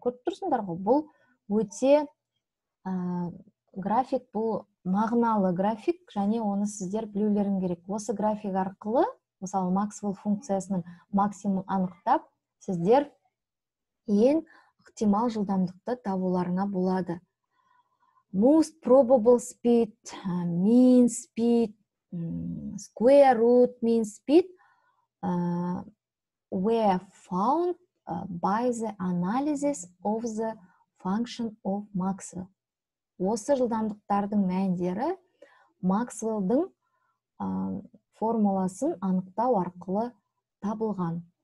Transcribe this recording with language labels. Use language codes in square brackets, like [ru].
[kk] Көріп тұрсыңдар ғой, бұл өте график, бұл мағыналы график, және оны сіздер білулерің керек. Осы график арқылы, мысалы, Максвелл функциясының максимумын анықтап, сіздер ең ықтимал жылдамдықты табуларыңа болады. [en] Most probable speed, mean speed, square root mean speed were found by the analysis of the function of Maxwell. [kk] Осы жылдамдықтардың мәндері Максвеллдің формуласын анықтау арқылы табылған.